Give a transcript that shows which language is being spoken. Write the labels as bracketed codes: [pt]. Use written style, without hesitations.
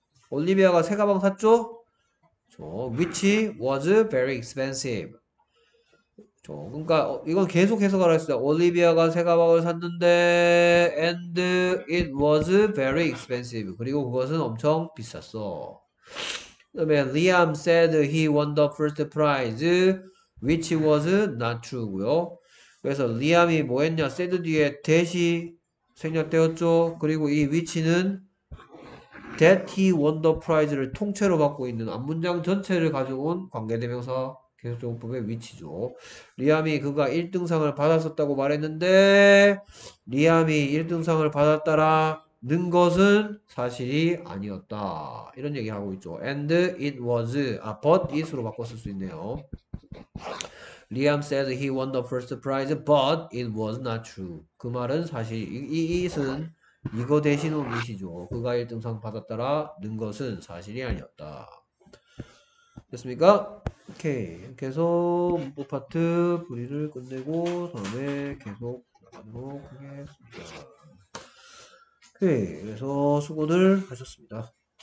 [ko] 올리비아가 새 가방 샀죠? [en] 저, which was very expensive. [ko] 저, 그러니까, 이건 계속해서 가라 했어요. 올리비아가 새 가방을 샀는데, and it was very expensive. 그리고 그것은 엄청 비쌌어. [en] 그 다음에, Liam said he won the first prize, which was not true고요. [ko] 그래서 리암이 뭐 했냐? 세드 뒤에 that이 생략되었죠. 그리고 이 위치는 that he won the prize를 통째로 받고 있는 앞문장 전체를 가져온 관계대명사 계속적용법의 위치죠. 리암이 그가 1등상을 받았었다고 말했는데 리암이 1등상을 받았다라는 것은 사실이 아니었다. 이런 얘기하고 있죠. And it was, but it 으로 바꿨을 수 있네요. [en] Liam said he won the first prize, but it was not true. [ko] 그 말은 사실, it은 이거 대신 온 것이죠. 그가 1등상 받았더라 는 것은 사실이 아니었다. 됐습니까? 오케이. 계속 문법 파트 분리를 끝내고, 다음에 계속 나가도록 하겠습니다. 오케이. 그래서 수고들 하셨습니다.